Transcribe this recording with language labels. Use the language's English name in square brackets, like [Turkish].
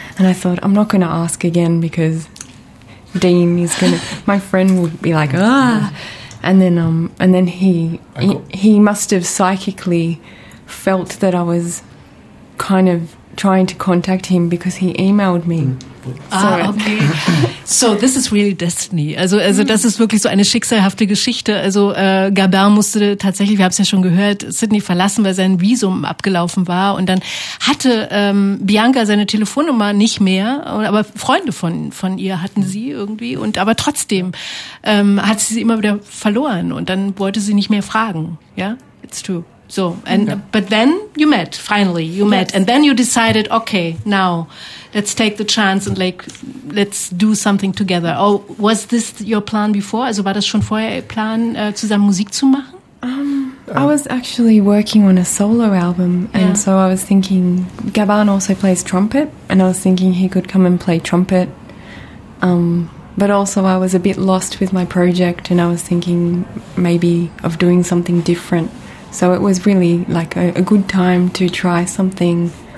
[English] And I thought, I'm not going to ask again because Dean is going to... My friend would be like, And then he must have psychically felt that I was kind of trying to contact him because he emailed me. Okay. So this is really destiny. [German] Also das ist wirklich so eine schicksalhafte Geschichte. Also Gabin musste tatsächlich, wir haben es ja schon gehört, Sydney verlassen, weil sein Visum abgelaufen war. Und dann hatte Bianca seine Telefonnummer nicht mehr, aber Freunde von ihr hatten sie irgendwie. Und aber trotzdem hat sie immer wieder verloren und dann wollte sie nicht mehr fragen. [English] Ja, yeah? It's true. So, and but then you met, finally, met. And then you decided, okay, now let's take the chance and like, let's do something together. Oh, was this your plan before? [German] Also war das schon vorher ihr Plan, zusammen Musik zu machen? [English] I was actually working on a solo album. And so I was thinking, Gabin also plays trumpet. And I was thinking he could come and play trumpet. But also I was a bit lost with my project. And I was thinking maybe of doing something different. So it was really like a good time to try something.